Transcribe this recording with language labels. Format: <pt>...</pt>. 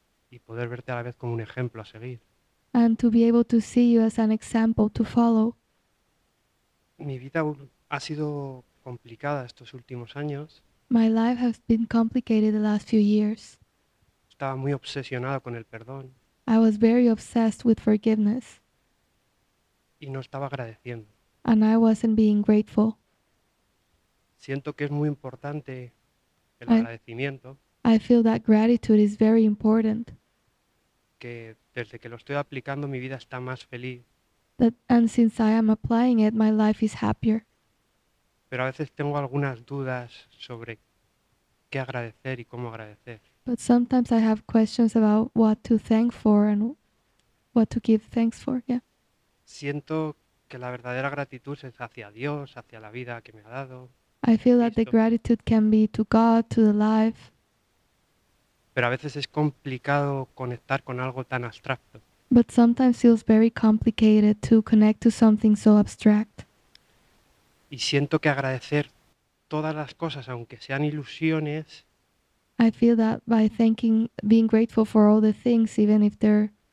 <es>Y poder verte a la vez como un ejemplo a seguir.</es> <en>And to be able to see you as an example to follow.</en> <es>Mi vida ha sido complicada estos últimos años.</es> <en>My life has been complicated the last few years.</en> <es>Estaba muy obsesionado con el perdón.</es> <en>I was very obsessed with forgiveness.</en> <es>Y no estaba agradeciendo.</es> <en>And I wasn't being grateful.</en> <es>Siento que es muy importante el agradecimiento.</es> <en>I feel that gratitude is very important.</en> <es>Que desde que lo estoy aplicando mi vida está más feliz.</es> <en>And since I am applying it, my life is happier.</en> <es>Pero a veces tengo algunas dudas sobre qué agradecer y cómo agradecer.</es> <en>But sometimes I have questions about what to thank for and what to give thanks for, yeah.</en> <es>Siento que la verdadera gratitud es hacia Dios, hacia la vida que me ha dado.</es> <en>I feel that the gratitude can be to God, to the life.</en> <es>Pero a veces es complicado conectar con algo tan abstracto.</es> <en>But sometimes feels very complicated to connect to something so abstract.</en> <es>Y siento que agradecer todas las cosas, aunque sean ilusiones.</es> <en>I feel that by thanking, being grateful for all the things, even if they're.</en>